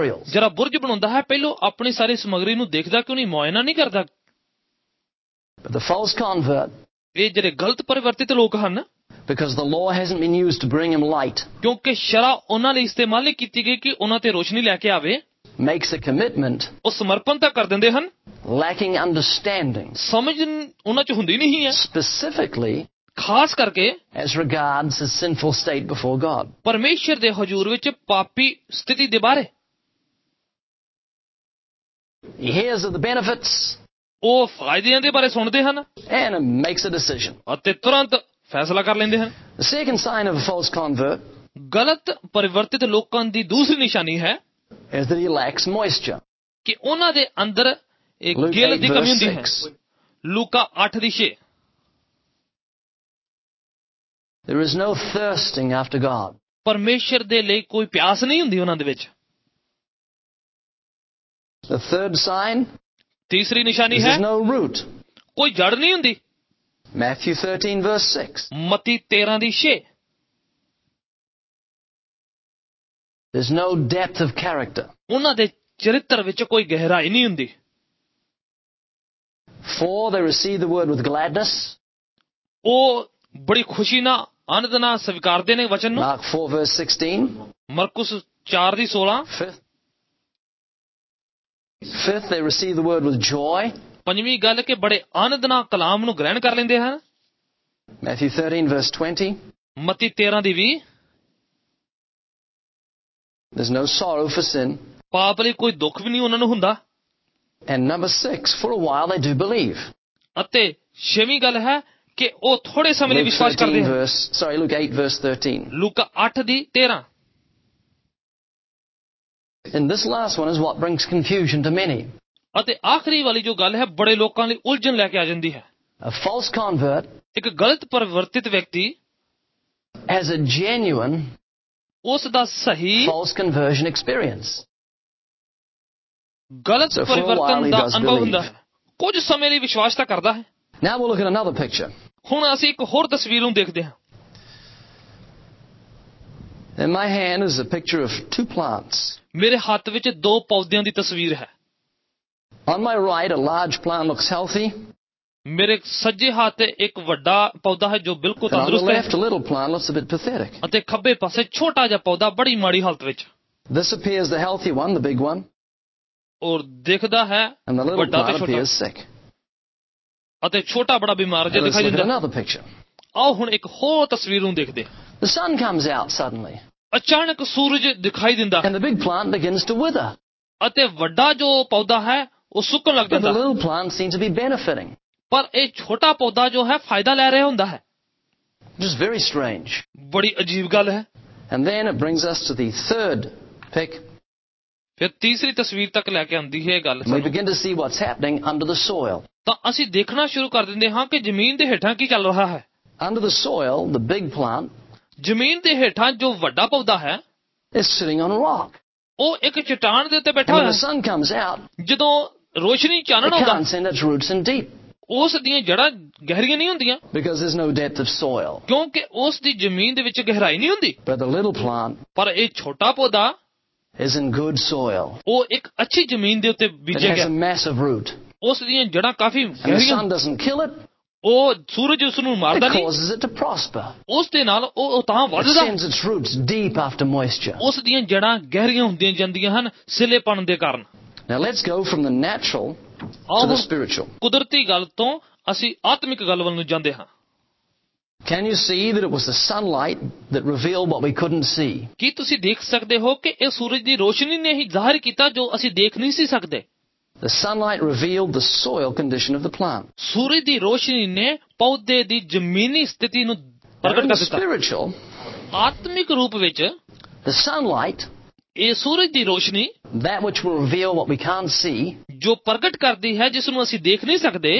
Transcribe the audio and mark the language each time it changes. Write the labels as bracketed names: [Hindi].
[Punjabi] ਜਿਹੜਾ ਬੁਰਜ ਬਣਾਉਂਦਾ ਹੈ ਪਹਿਲੋਂ ਆਪਣੀ ਸਾਰੀ ਸਮੱਗਰੀ ਨੂੰ ਦੇਖਦਾ ਕਿਉਂ ਨਹੀਂ, ਮੁਆਇਨਾ ਨਹੀਂ ਕਰਦਾ. [English] But the false convert, [Punjabi] ਇਹ ਜਿਹੜੇ ਗਲਤ ਪਰਿਵਰਤਿਤ ਲੋਕ ਹਨ, [English] because the law hasn't been used to bring him light, [Punjabi] ਕਿਉਂਕਿ ਸ਼ਰ੍ਹਾ ਉਹਨਾਂ ਲਈ ਇਸਤੇਮਾਲ ਨਹੀਂ ਕੀਤੀ ਗਈ ਕਿ ਉਹਨਾਂ ਤੇ ਰੋਸ਼ਨੀ ਲੈ ਕੇ ਆਵੇ, [English] makes a commitment, [Punjabi] ਉਹ ਸਮਰਪਣ ਤਾਂ ਕਰ ਦਿੰਦੇ ਹਨ, [English] lacking understanding, [Punjabi] ਸਮਝ ਉਹਨਾਂ ਚ ਹੁੰਦੀ ਨਹੀਂ ਹੈ, [English] specifically, [Punjabi] ਖਾਸ ਕਰਕੇ [English] as regards his sinful state before God, [Punjabi] ਪਰਮੇਸ਼ਰ ਦੇ ਹਜ਼ੂਰ ਵਿੱਚ ਪਾਪੀ ਸਥਿਤੀ ਦੇ ਬਾਰੇ. [English] Here's the benefits, [Punjabi] ਉਹ ਫਾਇਦਿਆਂ ਦੇ ਬਾਰੇ ਸੁਣਦੇ ਹਨ, [English] and makes a decision, [Punjabi] ਅਤੇ ਤੁਰੰਤ ਫੈਸਲਾ ਕਰ ਲੈਂਦੇ ਹਨ. [English] The second sign of a false convert, [Punjabi] ਗਲਤ ਪਰਿਵਰਤਿਤ ਲੋਕਾਂ ਦੀ ਦੂਸਰੀ ਨਿਸ਼ਾਨੀ ਹੈ, [English] is that he lacks moisture, [Punjabi] ਕਿ ਉਹਨਾਂ ਦੇ ਅੰਦਰ ਇੱਕ ਗਿਲ ਦੀ ਕਮੀ ਹੁੰਦੀ ਹੈ. ਲੂਕਾ 8:6, [English] there is no thirsting after God, [Punjabi] ਪਰਮੇਸ਼ਰ ਦੇ ਲਈ ਕੋਈ ਪਿਆਸ ਨਹੀਂ ਹੁੰਦੀ ਉਹਨਾਂ ਦੇ ਵਿੱਚ. [English] The third sign, [Punjabi] ਤੀਸਰੀ ਨਿਸ਼ਾਨੀ ਹੈ, [English] no root, [Punjabi] ਕੋਈ ਜੜ ਨਹੀਂ ਹੁੰਦੀ. [English] Matthew 13 verse 6, [Punjabi] Mati 13:6, [English] there's no depth of character, [Punjabi] ਉਹਨਾਂ ਦੇ ਚਰਿੱਤਰ ਵਿੱਚ ਕੋਈ ਗਹਿਰਾਈ ਨਹੀਂ ਹੁੰਦੀ. [English] 4, they receive the word with gladness, [Punjabi] ਉਹ ਬੜੀ ਖੁਸ਼ੀ ਨਾਲ ਆਨੰਦ ਨਾਲ ਸਵੀਕਾਰਦੇ ਨੇ ਵਚਨ ਨੂੰ. [English] Mark 4 verse 16, [Punjabi] Marcus 4:16, [English] 5th, they receive the word with joy, [Punjabi] ਪੰਜਵੀਂ ਗੱਲ ਕਿ ਬੜੇ ਆਨੰਦ ਨਾਲ ਕਲਾਮ ਨੂੰ ਗ੍ਰਹਿਣ ਕਰ ਲੈਂਦੇ ਹਨ. [English] Matthew 13 verse 20, [Punjabi] Mati 13:20, [English] there's no sorrow for sin, [Punjabi] ਪਾਪ ਲਈ ਕੋਈ ਦੁੱਖ ਵੀ ਨਹੀਂ ਉਹਨਾਂ ਨੂੰ ਹੁੰਦਾ. [English] And number 6, for a while they do believe, [Punjabi] ਅਤੇ 6ਵੀਂ ਗੱਲ ਹੈ ਕਿ ਉਹ ਥੋੜੇ ਸਮੇਂ ਲਈ ਵਿਸ਼ਵਾਸ ਕਰਦੇ ਹਨ. [English] Luke 8 verse 13, [Punjabi] Luca 8:13. [English] And this last one is what brings confusion to many. [Punjabi] ਅਤੇ ਆਖਰੀ ਵਾਲੀ ਜੋ ਗੱਲ ਹੈ ਬੜੇ ਲੋਕਾਂ ਲਈ ਉਲਝਣ ਲੈ ਕੇ ਆ ਜਾਂਦੀ ਹੈ. [English] A false convert, [Punjabi] ਇੱਕ ਗਲਤ ਪਰਿਵਰਤਿਤ ਵਿਅਕਤੀ, [English] has a genuine, [Punjabi] ਉਸ ਦਾ ਸਹੀ [English] false conversion experience, [Punjabi] ਗਲਤ ਪਰਿਵਰਤਨ ਦਾ ਅਨੁਭਵ ਹੁੰਦਾ ਹੈ, ਕੁਝ ਸਮੇਂ ਲਈ ਵਿਸ਼ਵਾਸ ਤਾਂ ਕਰਦਾ ਹੈ. [English] Now we'll look at another picture. [Punjabi] ਹੁਣ ਅਸੀਂ ਇੱਕ ਹੋਰ ਤਸਵੀਰ ਨੂੰ ਦੇਖਦੇ ਹਾਂ. [English] In my hand is a picture of 2 plants. [Punjabi] ਮੇਰੇ ਹੱਥ ਵਿੱਚ 2 ਪੌਦਿਆਂ ਦੀ ਤਸਵੀਰ ਹੈ. [English] On my right a large plant looks healthy. [Punjabi] ਮੇਰੇ ਸੱਜੇ ਹੱਥ ਤੇ ਇੱਕ ਵੱਡਾ ਪੌਦਾ ਹੈ ਜੋ ਬਿਲਕੁਲ ਤੰਦਰੁਸਤ ਹੈ. [English] On the left a little plant looks a bit pathetic. [Punjabi] ਅਤੇ ਖੱਬੇ ਪਾਸੇ ਛੋਟਾ ਜਿਹਾ ਪੌਦਾ ਬੜੀ ਮਾੜੀ ਹਾਲਤ ਵਿੱਚ. [English] This appears the healthy one, the big one. [Punjabi] ਔਰ ਦਿਖਦਾ ਹੈ ਵੱਡਾ ਤੇ ਛੋਟਾ. ਅਤੇ ਛੋਟਾ ਬੜਾ ਬਿਮਾਰ ਜਿਹਾ ਦਿਖਾਈ ਦਿੰਦਾ. [English] Another picture. [Punjabi] ਆਓ ਹੁਣ ਇੱਕ ਹੋਰ ਤਸਵੀਰ ਨੂੰ ਦੇਖਦੇ ਹਾਂ. [English] The sun comes out suddenly. [Punjabi] ਅਚਾਨਕ ਸੂਰਜ ਦਿਖਾਈ ਦਿੰਦਾ. [English] And the big plant begins to wither. [Punjabi] ਅਤੇ ਵੱਡਾ ਜੋ ਪੌਦਾ ਹੈ ਉਹ ਸੁੱਕਣ ਲੱਗ ਜਾਂਦਾ. [English] The little plant seems to be benefiting. [Punjabi] ਪਰ ਇਹ ਛੋਟਾ ਪੌਦਾ ਜੋ ਹੈ ਫਾਇਦਾ ਲੈ ਰਿਹਾ ਹੁੰਦਾ ਹੈ. [English] This is very strange. [Punjabi] ਬੜੀ ਅਜੀਬ ਗੱਲ ਹੈ. [English] And then it brings us to the third pick. [Punjabi] ਫਿਰ ਤੀਸਰੀ ਤਸਵੀਰ ਤੱਕ ਲੈ ਕੇ ਆਉਂਦੀ ਹੈ ਗੱਲ. [English] We begin to see what's happening under the soil. [Punjabi] ਤਾਂ ਅਸੀਂ ਦੇਖਣਾ ਸ਼ੁਰੂ ਕਰ ਦਿੰਦੇ ਹਾਂ ਕਿ ਜ਼ਮੀਨ ਦੇ ਹੇਠਾਂ ਕੀ ਚੱਲ ਰਿਹਾ ਹੈ. [English] Under the soil, the big plant, [Punjabi] ਜ਼ਮੀਨ ਦੇ ਹੇਠਾਂ ਜੋ ਵੱਡਾ ਪੌਦਾ ਹੈ, [English] is sitting on a rock. [Punjabi] ਉਹ ਇੱਕ ਚਟਾਨ ਦੇ ਉੱਤੇ ਬੈਠਾ ਹੋਇਆ. [English] When the sun comes out, [Punjabi] ਜਦੋਂ ਰੋਸ਼ਨੀ ਚਾਨਣ ਆਉਂਦਾ, [English] it can't send its roots in deep. [Punjabi] ਉਸ ਦੀਆਂ ਜੜ੍ਹਾਂ ਗਹਿਰੀਆਂ ਨਹੀਂ ਹੁੰਦੀਆਂ. [English] Because there's no depth of soil. [Punjabi] ਕਿਉਂਕਿ ਉਸ ਦੀ ਜ਼ਮੀਨ ਦੇ ਵਿੱਚ ਗਹਿਰਾਈ ਨਹੀਂ ਹੁੰਦੀ. [English] But the little plant, [Punjabi] ਪਰ ਇਹ ਛੋਟਾ ਪੌਦਾ, [English] is in good soil. [Punjabi] ਉਹ ਇੱਕ ਅੱਛੀ ਜ਼ਮੀਨ ਦੇ ਉੱਤੇ ਬੀਜਿਆ ਗਿਆ. [English] It has a massive root. [Punjabi] ਉਸ ਦੀਆਂ ਜੜ੍ਹਾਂ ਕਾਫੀ ਗਹਿਰੀਆਂ. [English] The sun doesn't kill it. [Punjabi] ਉਹ ਸੂਰਜ ਉਸ ਨੂੰ ਮਾਰਦਾ ਨਹੀਂ, ਉਸ ਦੇ ਨਾਲ ਉਹ ਤਾਂ ਵਧਦਾ, [English] sends its roots deep after moisture. [Punjabi] ਉਸ ਦੀਆਂ ਜੜਾਂ ਗਹਿਰੀਆਂ ਹੁੰਦੀਆਂ ਜਾਂਦੀਆਂ ਹਨ ਸਿਲੇਪਣ ਦੇ ਕਾਰਨ. [English] Now let's go from the natural to the spiritual. [Punjabi] ਕੁਦਰਤੀ ਗੱਲ ਤੋਂ ਅਸੀਂ ਆਤਮਿਕ ਗੱਲ ਵੱਲ ਨੂੰ ਜਾਂਦੇ ਹਾਂ. [English] Can you see that it was the sunlight that revealed what we couldn't see? [Punjabi] ਕੀ ਤੁਸੀਂ ਦੇਖ ਸਕਦੇ ਹੋ ਕਿ ਇਹ ਸੂਰਜ ਦੀ ਰੋਸ਼ਨੀ ਨੇ ਹੀ ਜ਼ਾਹਿਰ ਕੀਤਾ ਜੋ ਅਸੀਂ ਦੇਖ ਨਹੀਂ ਸੀ ਸਕਦੇ? [English] The sunlight revealed the soil condition of the plant. [Punjabi] ਸੂਰਜ ਦੀ ਰੋਸ਼ਨੀ ਨੇ ਪੌਦੇ ਦੀ ਜ਼ਮੀਨੀ ਸਥਿਤੀ ਨੂੰ ਪ੍ਰਗਟ ਕਰ ਦਿੱਤਾ. [English] Spiritual, [Punjabi] ਆਤਮਿਕ ਰੂਪ ਵਿੱਚ, [English] the sunlight, [Punjabi] ਇਹ ਸੂਰਜ ਦੀ ਰੋਸ਼ਨੀ, [English] that which will reveal what we can't see, [Punjabi] ਜੋ ਪ੍ਰਗਟ ਕਰਦੀ ਹੈ ਜਿਸ ਨੂੰ ਅਸੀਂ ਦੇਖ ਨਹੀਂ ਸਕਦੇ,